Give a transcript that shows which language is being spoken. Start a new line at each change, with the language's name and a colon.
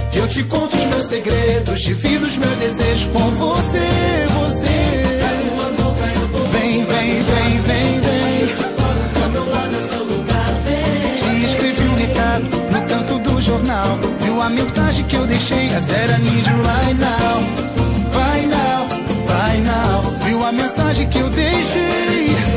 Portuguese: Te conto os meus segredos, divido os meus desejos com você, você. Vem, vem, vem, vem, vem. Te escrevi um recado no canto do jornal. Viu a mensagem que eu deixei?
English: I said I need you right now. Right now, right now.
Portuguese: Viu a mensagem que eu deixei?